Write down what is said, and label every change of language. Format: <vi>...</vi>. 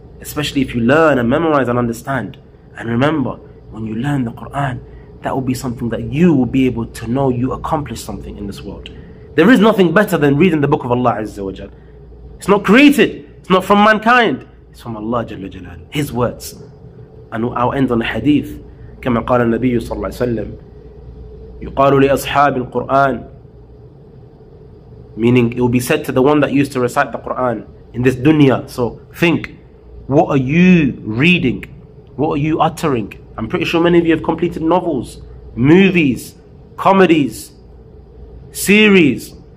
<en>Especially if you learn and memorize and understand. And remember, when you learn the Quran, that will be something that you will be able to know you accomplished something in this world. There is nothing better than reading the book of Allah</en> <ar>Azza wa Jal.</ar> <en>It's not created. It's not from mankind. It's from Allah</en> <ar>Jalla Jalal.</ar> <en>His words. And I'll end on a hadith.</en> <ar>كما قال النبي صلى الله عليه وسلم يقال لأصحاب القرآن.</ar> <en>Meaning, it will be said to the one that used to recite the Quran in this dunya. So think, What are you reading? What are you uttering? I'm pretty sure many of you have completed novels, movies, comedies, series.</en>